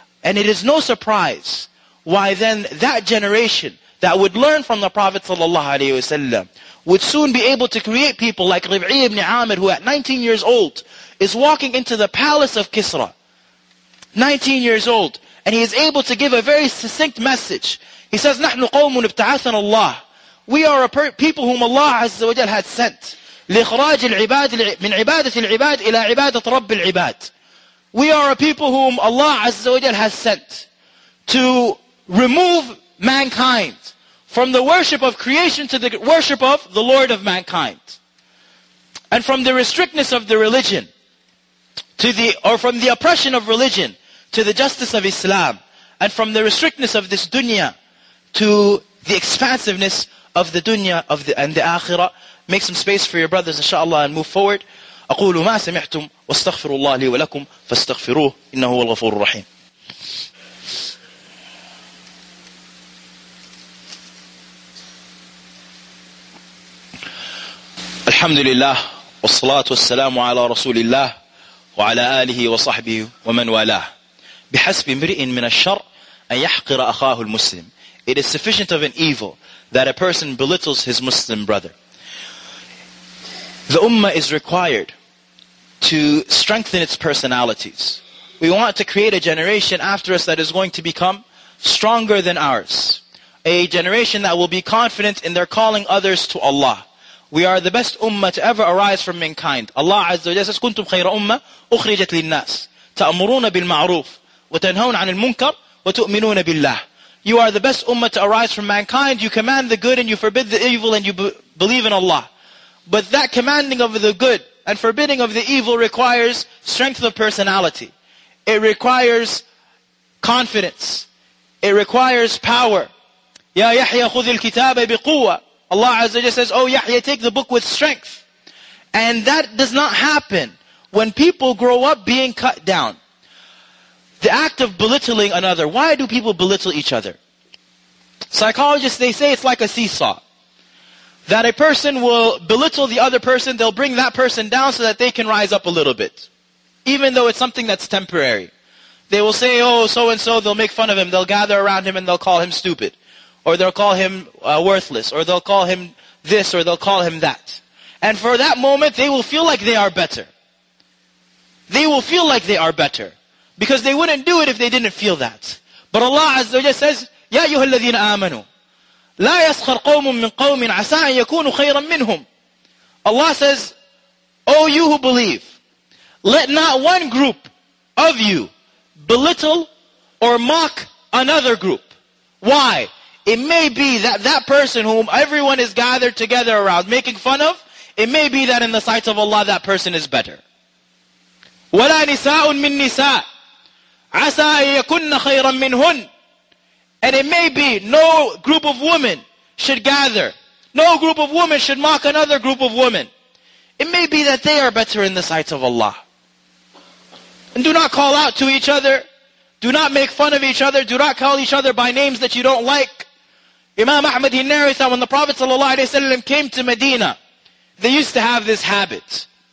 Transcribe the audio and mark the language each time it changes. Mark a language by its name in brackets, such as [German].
[English] And it is no surprise why then that generation that would learn from the Prophet ﷺ would soon be able to create people like Rib'i ibn Amir, who at 19 years old is walking into the palace of Kisra. 19 years old. And he is able to give a very succinct message. He says, [Arabic] نَحْنُ قَوْمٌ ابْتَعَثَنَ اللَّهِ. [English] We are a people whom Allah Azza wa Jal had sent. [Arabic] لِخْرَاجِ الْعِبَادِ مِنْ عِبَادَةِ الْعِبَادِ إِلَىٰ عِبَادَةِ رَبِّ الْعِبَادِ. [English] We are a people whom Allah Azza wa Jal has sent to remove mankind from the worship of creation to the worship of the Lord of mankind. And from the restrictness of the religion to the, or from the oppression of religion to the justice of Islam. And from the restrictness of this dunya to the expansiveness of the dunya of the, and the akhirah. Make some space for your brothers, inshallah, and move forward. [Arabic] أقول ما سمعتم واستغفر الله لي ولكم فاستغفروه إنه هو الغفور الرحيم. الحمد لله والصلاة والسلام على رسول الله وعلى آله وصحبه ومن والاه. بحسب امرئ من الشر أن يحقر أخاه المسلم. [English] It is sufficient of an evil that a person belittles his Muslim brother. The ummah is required to strengthen its personalities. We want to create a generation after us that is going to become stronger than ours. A generation that will be confident in their calling others to Allah. We are the best ummah to ever arise from mankind. Allah Azza wa Jalla says, [Arabic] كنتم خير أمة أخرجت للناس تأمرون بالمعروف وتنهون عن المنكر وتؤمنون بالله. [English] You are the best ummah to arise from mankind. You command the good and you forbid the evil and you believe in Allah. But that commanding of the good and forbidding of the evil requires strength of personality. It requires confidence. It requires power. [Arabic] Ya Yahya khudh al-kitaba biquwa. [English] Allah Azza wa Jalla says, oh Yahya, take the book with strength. And that does not happen when people grow up being cut down. The act of belittling another. Why do people belittle each other? Psychologists, they say it's like a seesaw. That a person will belittle the other person, they'll bring that person down so that they can rise up a little bit. Even though it's something that's temporary. They will say, oh, so and so, they'll make fun of him, they'll gather around him and they'll call him stupid. Or they'll call him worthless, or they'll call him this, or they'll call him that. And for that moment, they will feel like they are better. They will feel like they are better. Because they wouldn't do it if they didn't feel that. But Allah Azza wa Jalla says, [Arabic] يَا أَيُّهَا الَّذِينَ آمَنُوا لا يسخر قوم من قوم عسى أن يكونوا خيرا منهم. [English] Allah says, O you who believe, let not one group of you belittle or mock another group. Why? It may be that that person whom everyone is gathered together around making fun of, it may be that in the sight of Allah that person is better. [Arabic] ولا نساء من نساء عسى أن يكون خيرا منهن. [English] And it may be no group of women should gather. No group of women should mock another group of women. It may be that they are better in the sight of Allah. And do not call out to each other. Do not make fun of each other. Do not call each other by names that you don't like. Imam Ahmad, he narrates that when the Prophet ﷺ came to Medina, they used to have this habit.